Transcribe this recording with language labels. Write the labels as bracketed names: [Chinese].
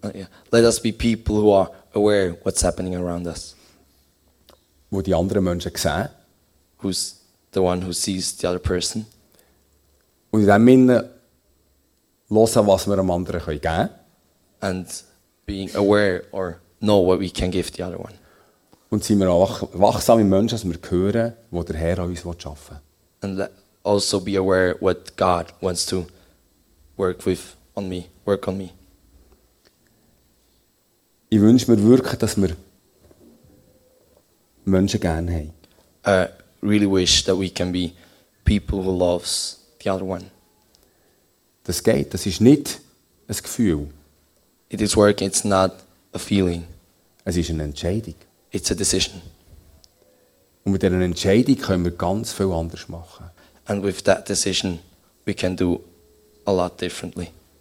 [English] Let us be people who are aware what's happening around us. [German] Wo die anderen Menschen sehen. [English] Who's the one who sees the other person? [German] Und in dem Sinne hören, was wir dem anderen geben können. [English] And being aware or know what we can give the other one. [German] Und sind wir auch wachsame Menschen, dass wir hören, wo der Herr an uns arbeiten will. [English] And also be aware what God wants to work with on me, work on me. [German] Ich wünsche mir wirklich, dass wir Menschen gerne haben. [English] I really wish that we can be people who loves the other one. [German] Das geht. Das ist nicht ein Gefühl. [English] It is work, it's not a feeling. [German] Es ist eine Entscheidung. [English] It's a decision. [German] Und mit dieser Entscheidung können wir ganz viel anders machen. [English] And with that decision, we can do a lot differently.